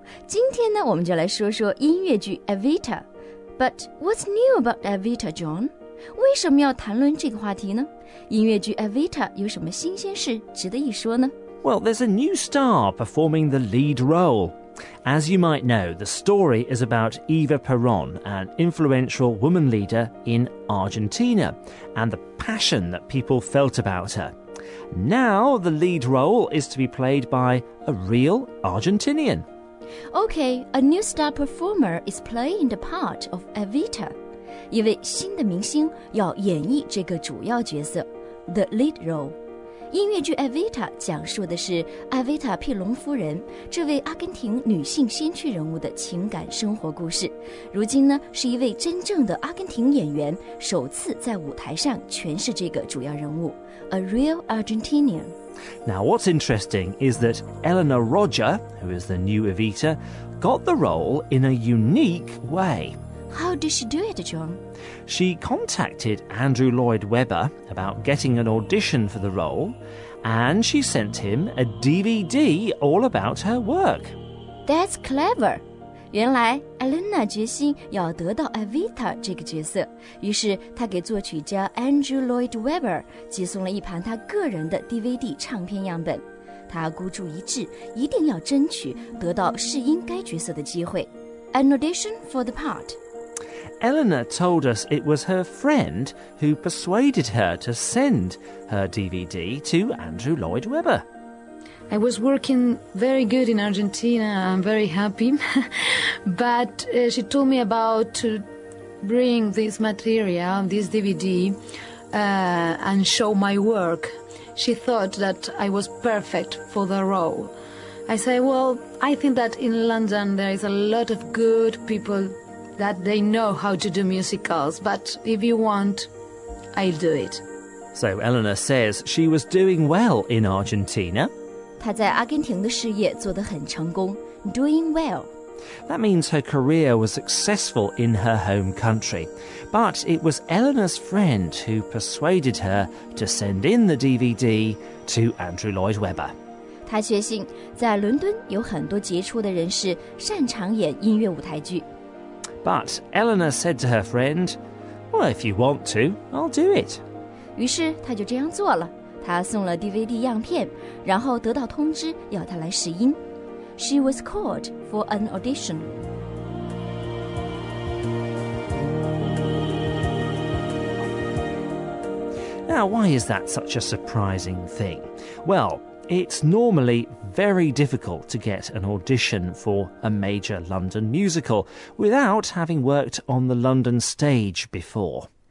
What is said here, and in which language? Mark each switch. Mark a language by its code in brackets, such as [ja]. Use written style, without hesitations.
[zh] 今天呢，我们就来说说音乐剧 Evita. [en] But what's new about Evita, John? [zh] 为什么要谈论这个话题呢？音乐剧 Evita 有什么新鲜事值得一说呢？ [en] Well, there's a new star performing the lead role. As you might know, the story is about Eva Perón, an influential woman leader in Argentina, and the passion that people felt about her. Now, the lead role is to be played by a real Argentinian. Okay, a new star performer is playing the part of Evita. [zh] 一位新的明星要演绎这个主要角色 [en] The lead role [zh] 音乐剧 Evita 讲述的是艾维塔·佩隆夫人这位阿根廷女性先驱人物的情感生活故事如今呢是一位真正的阿根廷演员首次在舞台上诠释这个主要人物 [en] A real Argentinian Now what's interesting is that Eleanor Roger who is the new Evita got the role in a unique way How did she do it, John? She contacted Andrew Lloyd Webber about getting an audition for the role, and she sent him a DVD all about her work. That's clever. [zh] 原来 Elena 决心要得到 Evita 这个角色，于是她给作曲家 Andrew Lloyd Webber 寄送了一盘她个人的 DVD 唱片样本。她孤注一掷，一定要争取得到试音该角色的机会。 [en] An audition for the part. Eleanor told us it was her friend who persuaded her to send her DVD to Andrew Lloyd Webber. I was working very good in Argentina. I'm very happy. But, she told me about to bring this material, this DVD, and show my work. She thought that I was perfect for the role. I said, well, I think that in London there is a lot of good people... that they know how to do musicals, but if you want, I'll do it. So Eleanor says she was doing well in Argentina. [zh] 她在阿根廷的事业做得很成功 [en] doing well. That means her career was successful in her home country. But it was Eleanor's friend who persuaded her to send in the DVD to Andrew Lloyd Webber. [zh] 她确信在伦敦有很多杰出的人士擅长演音乐舞台剧。 [en] But Eleanor said to her friend, Well, if you want to, I'll do it. [zh] 于是她就这样做了。她送了 DVD 样片,然后得到通知要她来试音。 [en] She was called for an audition. Now, why is that such a surprising thing? Well, it's normally... very difficult to get an audition for a major London musical without having worked on the London stage before.